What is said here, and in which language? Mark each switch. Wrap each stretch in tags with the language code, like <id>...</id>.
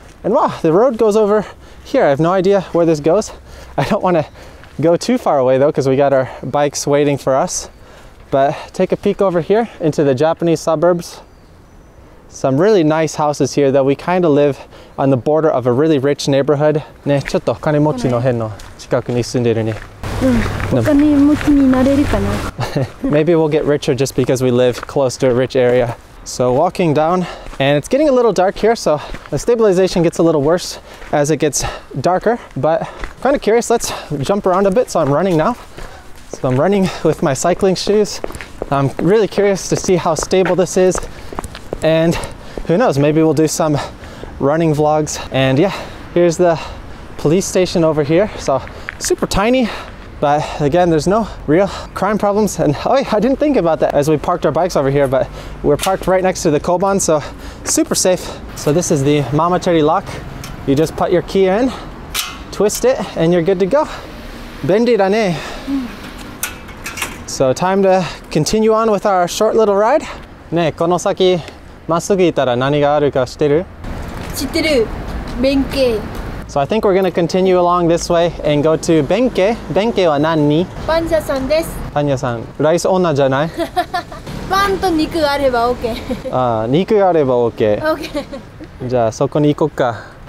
<en>And wow, the road goes over here. I have no idea where this goes. I don't wanna go too far away though, because we got our bikes waiting for us. But take a peek over here into the Japanese suburbs. Some really nice houses here that we kind of live on the border of a really rich neighborhood.</en> <ja>ね、ちょっと金持ちの辺の近くに住んでるね。うん、お金持ちになれるかな?</ja> <en>Maybe we'll get richer just because we live close to a rich area. So walking down, and it's getting a little dark here, so the stabilization gets a little worse as it gets darker. But kind of curious, let's jump around a bit. So I'm running now. So I'm running with my cycling shoes. I'm really curious to see how stable this is. And who knows, maybe we'll do some running vlogs. And yeah, here's the police station over here. So super tiny, but again, there's no real crime problems. And oh yeah, I didn't think about that as we parked our bikes over here, but we're parked right next to the koban, so super safe. So this is the Mamachari lock. You just put your key in, twist it, and you're good to go.</en> <ja>Benri da ne.</ja> <en>So time to continue on with our short little ride.</en> <ja>ね、この先まっすぐ行ったら何があるか知ってる? 知ってる。弁慶。</ja> <en>So I think we're gonna continue along this way and go to 弁慶。</en> <ja>弁慶は何に? パン屋さんです。パン屋さん。ライス女じゃない? パンと肉があれば OK。あー、肉があれば OK。 OK。じゃあそこに行こっか。</ja>